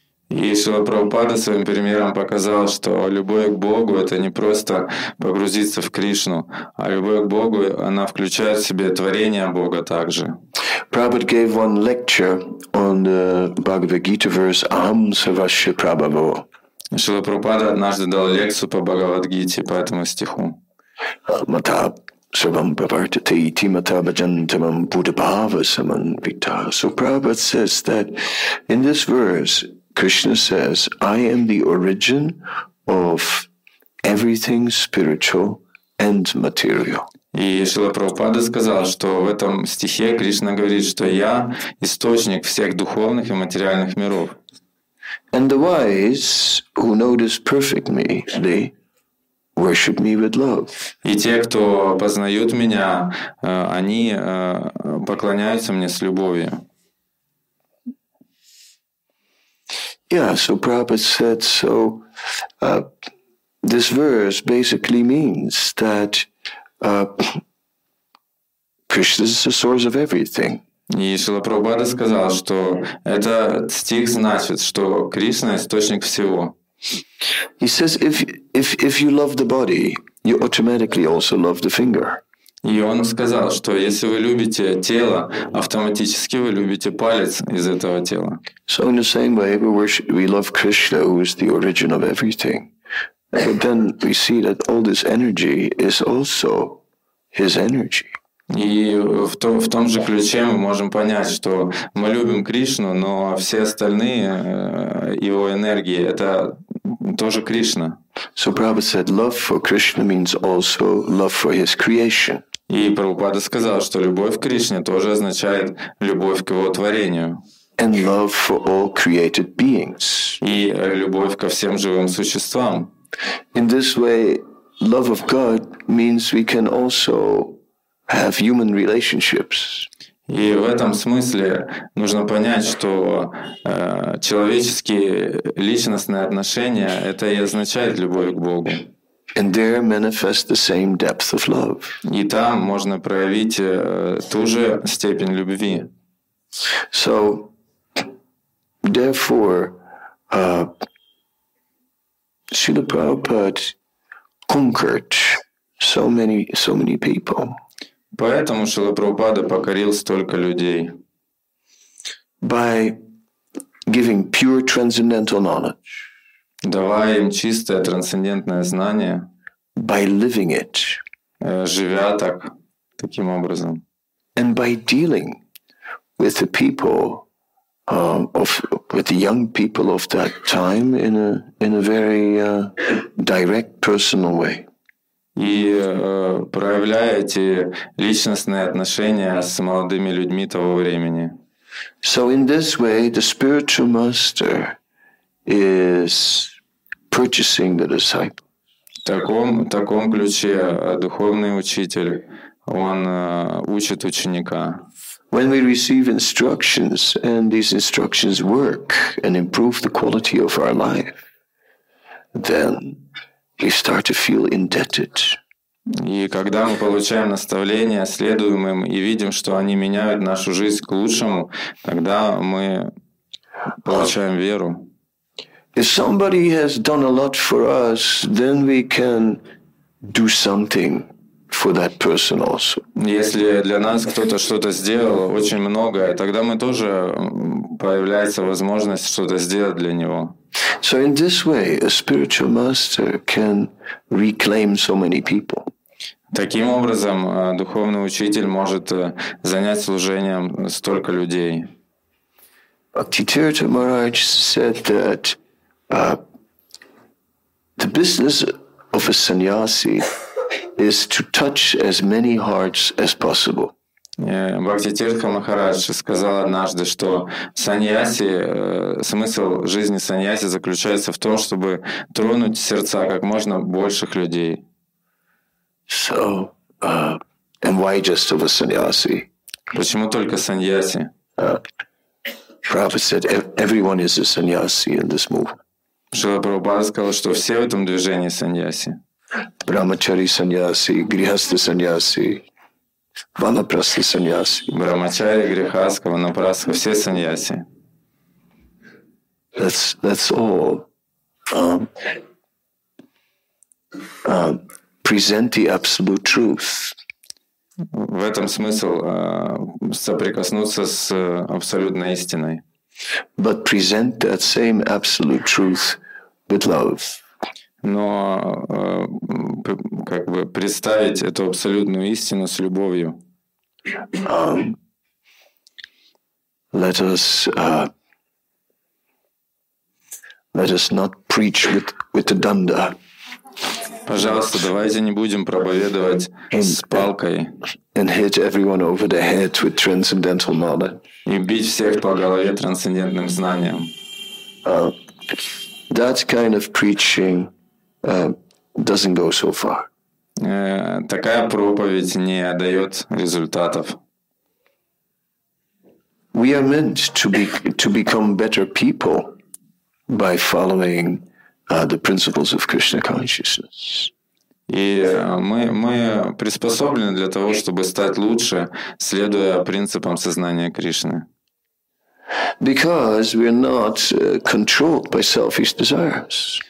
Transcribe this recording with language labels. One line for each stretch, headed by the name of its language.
Russian: И Шрила Прабхупада своим примером показал, что любовь к Богу — это не просто погрузиться в Кришну, а любовь к Богу, она включает в себя творение Бога также.
English: Prabhupada gave one lecture on the Bhagavad Gita verse
Sanskrit: Aham Sarvasya Prabhavo.
Russian: Шрила Прабхупада однажды дал лекцию по Бхагавад-гите, по этому стиху.
Sanskrit: Mata Sarvam Pravartate Iti Mata Bhajantamam Buddhabhava Samanvita.
English: So Prabhupada says that in this verse, Krishna says, I am the origin of everything spiritual and material.
Russian: И Шрила Прабхупада сказал, что в этом стихе Кришна говорит, что я источник всех духовных и материальных миров.
English: And the wise who know this perfectly worship me with love.
Russian: И те, кто познают меня, они поклоняются мне с любовью.
English: Yeah, so Prabhupada said, so this verse basically means that Krishna is the source of everything.
Russian: И Шрила Прабхупада сказал, что этот стих значит, что Кришна — источник всего.
English: He says, if you love the body, you automatically also love the finger.
Russian: И он сказал, что если вы любите тело, автоматически вы любите палец из этого тела.
English: So in the same way, we love Krishna, who is the origin of everything. But then we see that all this energy is also his energy.
Russian: И в том же ключе мы можем понять, что мы любим Кришну, но все остальные его энергии — это тоже Кришна.
English: So Prabhupada said, love for Krishna means also love for his creation.
Russian: И Прабхупада сказал, что любовь к Кришне тоже означает любовь к его творению.
English: And love for all created beings.
Russian: И любовь ко всем живым существам.
English: In this way, love of God means we can also have human relationships.
Russian: И в этом смысле нужно понять, что человеческие личностные отношения — это и означает любовь к Богу.
English: And there manifest the same depth of love.
Russian: И там можно проявить ту же степень любви.
English: So, therefore, Srila Prabhupada conquered so many people.
Russian: Поэтому Шрила Прабхупада покорил столько людей.
English: By giving pure transcendental knowledge.
Russian: Давая им чистое трансцендентное знание.
English: By living it.
Russian: Живя так, таким образом.
English: And by dealing with the people with the young people of that time in a very direct personal way.
Russian: И проявляя эти личностные отношения с молодыми людьми того времени.
English: So in this way, the spiritual master is purchasing the disciple.
Russian: В таком ключе духовный учитель, он учит ученика.
English: When we receive instructions and these instructions work and improve the quality of our life, then we start to feel indebted.
Russian: И когда мы получаем наставления, следуем им и видим, что они меняют нашу жизнь к лучшему, тогда мы получаем веру.
English: If somebody has done a lot for us, then we can do something for that person also.
Russian: Если для нас кто-то что-то сделал, очень многое, тогда мы тоже появляется возможность что-то сделать для него.
English: So in this way, a spiritual master can reclaim so many people.
Russian: Таким образом, духовный учитель может занять служением столько людей.
English: Bhakti Tirtha Maharaj said that the business of a sannyasi is to touch as many hearts as possible.
Russian: Бхакти Тиртха Махарадж сказал однажды, что саньяси, смысл жизни саньяси заключается в том, чтобы тронуть сердца как можно больших людей.
English: So, and why just of a sannyasi?
Russian: Почему только саньяси?
English: Prabhupada said, everyone is a sannyasi in this movement.
Russian: Шрила Прабхупада сказал, что все в этом движении саньяси. Брамачари саньяси, грихасты саньяси. Ванапрасы саньяси. Брамачари, грехаска, ванапрасы, все саньяси.
English: That's all. Present the absolute truth.
Russian: В этом смысл соприкоснуться с абсолютной истиной.
English: But present that same absolute truth with love.
Russian: Но как бы представить эту абсолютную истину с любовью.
English: Let us not preach with the danda.
Russian: Пожалуйста, давайте не будем проповедовать с палкой.
English: And hit everyone over the head with transcendental knowledge.
Russian: И бить всех по голове трансцендентным знанием.
English: That kind of preaching doesn't go so far.
Russian: Такая проповедь не дает результатов.
English: We are meant to become better people by following the principles of Krishna consciousness.
Russian: И мы приспособлены для того, чтобы стать лучше, следуя принципам сознания Кришны.
English: Because we are not controlled by selfish desires.